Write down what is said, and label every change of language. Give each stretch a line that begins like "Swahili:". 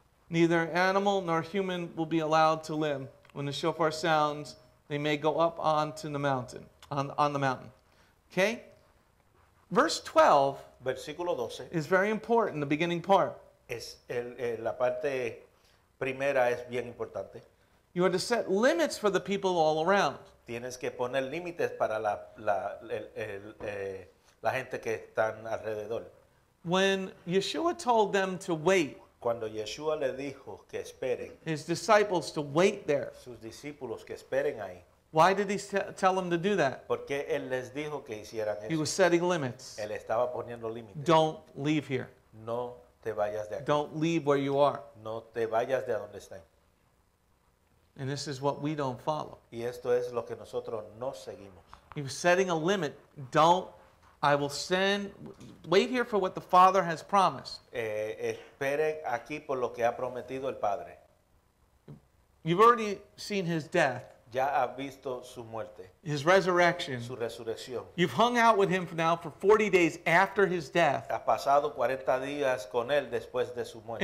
English: Neither animal nor human will be allowed to live. When the shofar sounds, they may go up onto the mountain." On the mountain. Okay? Verse 12,
Spanish: versículo 12
English: is very important, the beginning part.
Spanish: Es la parte primera es bien importante.
English: You are to set limits for the people all around.
Spanish: Tienes que poner límites para la gente que están alrededor.
English: When Yeshua told them to wait,
Spanish: cuando Yeshua le dijo que esperen,
English: his disciples to wait there,
Spanish: sus discípulos que esperen ahí,
English: why did he tell them to do that?
Spanish: Porque él les dijo que hicieran eso.
English: He was setting limits.
Spanish: Él estaba poniendo límites.
English: Don't leave here.
Spanish: No te vayas de aquí.
English: Don't leave where you are.
Spanish: No te vayas de donde estén.
English: And this is what we don't follow.
Spanish: Y esto es lo que nosotros no seguimos.
English: He was setting a limit. Don't. I will send, wait here for what the Father has promised.
Spanish: Espere aquí por lo que ha prometido el Padre.
English: You've already seen his death.
Spanish: Ya ha visto su muerte.
English: His resurrection.
Spanish: Su resurrección.
English: You've hung out with him now for 40 days after his death.
Spanish: Ha pasado 40 días con él después de su muerte.